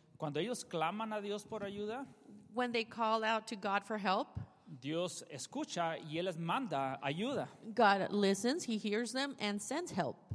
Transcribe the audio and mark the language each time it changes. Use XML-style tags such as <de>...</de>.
<es>Cuando ellos claman a Dios por ayuda,</es> <en>when they call out to God for help,</en> <es>Dios escucha y Él les manda ayuda.</es> <en>God listens, He hears them and sends help.</en>